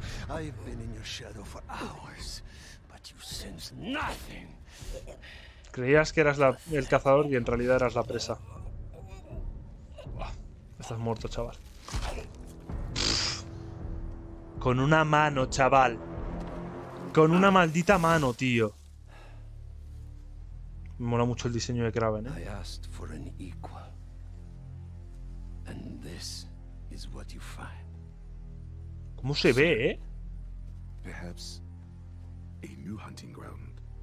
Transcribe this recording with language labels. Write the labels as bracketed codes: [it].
[en] I've been in your shadow for hours, but you sense nothing. [es] Creías que eras el cazador y en realidad eras la presa. Estás muerto, chaval. Con una mano, chaval. Con una maldita mano, tío. Me mola mucho el diseño de Kraven, ¿eh? [en] I asked for an equal. And this is what you find. [es] ¿Cómo se ve, eh? [en] Perhaps a new hunting ground.